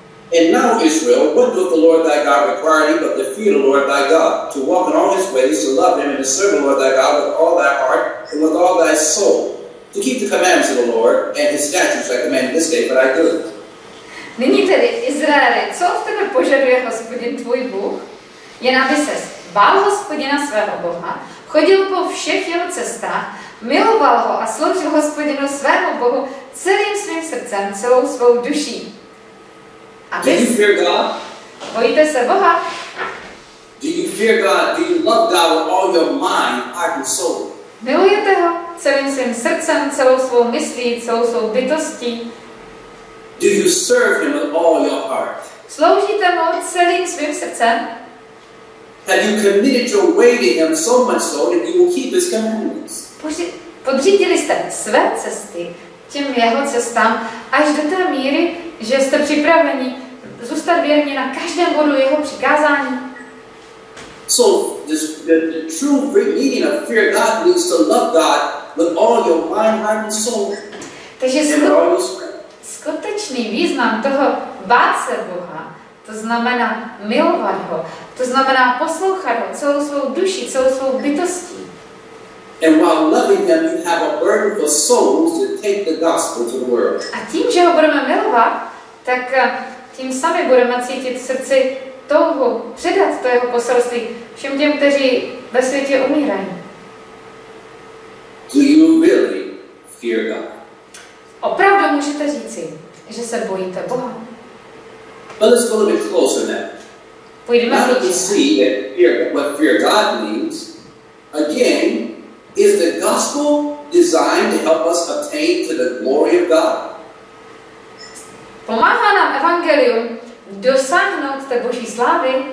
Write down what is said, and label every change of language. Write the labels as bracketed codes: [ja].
[en] And now Israel, what doth the Lord thy God require thee, but to fear the Lord thy God, to walk in all his ways, to love him, and to serve the Lord thy God with all thy heart and with all thy soul, to keep the commandments of the Lord and his statutes I command this day, but I do. [cs] Nyní tedy, Izraeli, co v tebe požaduje Hospodin tvůj Bůh? Jen aby ses bál Hospodina svého Boha, chodil po všech jeho cestách, miloval ho a sloužil Hospodinu svému Bohu celým svým srdcem, celou svou duší. [en] Do you fear God? [cs] Bojíte se Boha? [en] Do you fear God? Do you love God with all your mind, heart and soul? [cs] Milujete ho celým svým srdcem, celou svou myslí, celou svou bytostí? [en] Do you serve him with all your heart? [cs] Sloužíte mu celým svým srdcem? [en] Have you committed your way to him so much so that you will keep his commandments? [cs] Podřídili jste své cesty těm jeho cestám až do té míry, že jste připraveni zůstat věrní na každém bodu jeho přikázání. [en] So the true meaning of fear God means to love God with all your mind, heart and soul. [cs] Takže skutečný význam toho bát se Boha, to znamená milovat ho, to znamená poslouchat ho celou svou duši, celou svou bytostí. [en] And while loving them, you have a burden for souls to take the gospel to the world. [cs] A tím, že ho budeme milovat, tak tím sami budeme cítit v srdci touhu předat to jeho poselství všem těm, kteří ve světě umírají. [en] Do you really fear God? [cs] Opravdu můžete říci, že se bojíte Boha? [en] But let's go a bit closer now. [cs] Pojďme [en] now that we see that fear, what fear God means, again, is the gospel designed to help us attain to the glory of God? [cs] Pomáhá nám evangelium dosáhnout té Boží slávy?